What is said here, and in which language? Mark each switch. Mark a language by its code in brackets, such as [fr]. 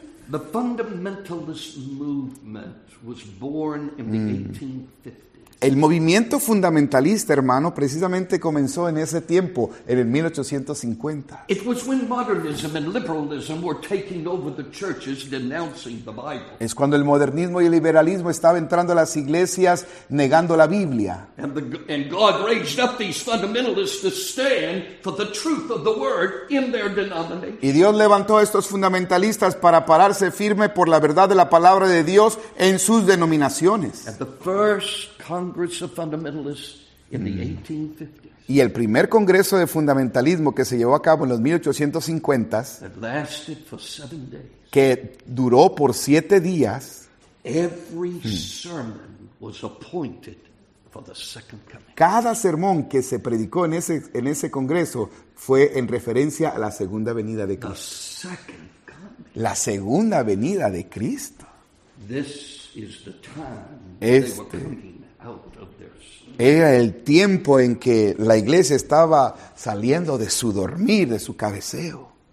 [en] The fundamentalist movement was born in the 1850s. [es] El movimiento fundamentalista, hermano, precisamente comenzó en ese tiempo, en el 1850. [en] It was when modernism and liberalism were taking over the churches, denouncing the Bible. [es] Es cuando el modernismo y el liberalismo estaba entrando a las iglesias negando la Biblia. [en] And God raised up these fundamentalists to stand for the truth of the word in their denomination. [es] Y Dios levantó a estos fundamentalistas para pararse firme por la verdad de la palabra de Dios en sus denominaciones. [en] At the first Congress of Fundamentalists in the 1850s. [es] Y el primer congreso de fundamentalismo que se llevó a cabo en los 1850s, [en] that lasted for 7 days, [es] que duró por 7 días, [en] every sermon was appointed for the second coming. [es] Cada sermón que se predicó en ese congreso fue en referencia a la segunda venida de Cristo. [en] The second coming. [es] La segunda venida de Cristo. [en] This is the time they were coming. [es] Era el tiempo en que la iglesia estaba saliendo de su dormir, de su cabeceo.